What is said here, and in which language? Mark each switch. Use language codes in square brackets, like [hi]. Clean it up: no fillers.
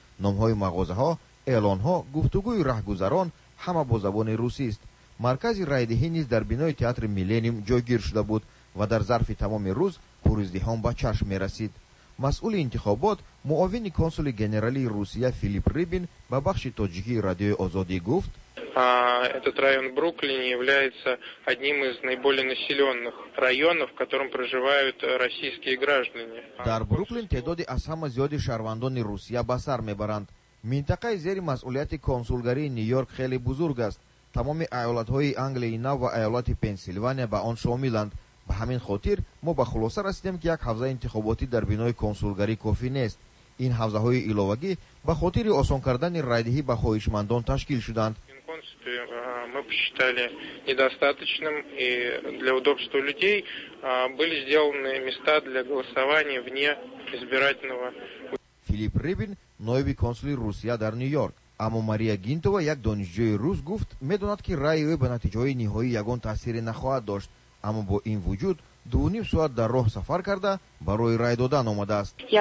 [fa] نام های مغازه ها، اعلان ها، گفتگوی رهگذران همه با زبان روسی است. مرکز رای دهی نیز در بنای تئاتر میلنیوم جایگیر شده بود و در ظرف تمام روز پرازدحام به چشم می رسید. مسئول انتخابات معاون کنسول جنرالی روسیه فیلیپ ریبین با بخش تاجیکی رادیو آزادی گفت [ru] этот район Бруклин является одним из наиболее населенных районов, в котором проживают российские граждане. [fa] در بروکلین تعداد از همه زیاد شهروندان روسیه به سر می برند. منطقه زیر مسئولیت کنسولگری نیویورک خیلی بزرگ است. تمام ایالت های انگلی نو و ایالت پنسیلوانیا به آن شاملند. به همین خاطر ما به خلاصه رسیدیم که یک حوزه انتخاباتی در بنای کنسولگری کافی نیست. این حوزه های ایلاوگی به خاطر آسان کردن رای‌دهی به خواهشمندان تشکیل شدند. [ru] Мы посчитали недостаточным, и для удобства людей были сделаны места для голосования вне избирательного. [tg] Филипп Рибин, новый консул Русия дар Нью-Йорк. Аму Мария Гинтова, як донишджой рус, гуфт, медонат ки райи ба натиҷаи ниҳоии ягон таъсире нахоҳад дошт. Аму бо ин вуҷуд, [fa] 2.5 ساعت در راه سفر کرده برای رای دادن آمده است.